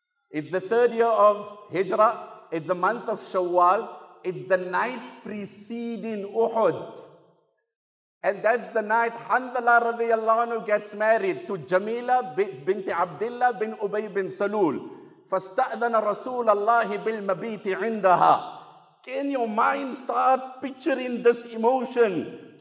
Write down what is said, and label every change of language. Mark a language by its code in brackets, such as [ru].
[en] It's the third year of Hijrah. It's the month of Shawwal. It's the night preceding Uhud. And that's the night Hanbala radiyallahu anhu gets married to Jamila bint Abdullah bin Ubay bin Salul. [ar] فاستأذن رسول الله بالمبيت عندها. [en] Can your mind start picturing this emotion?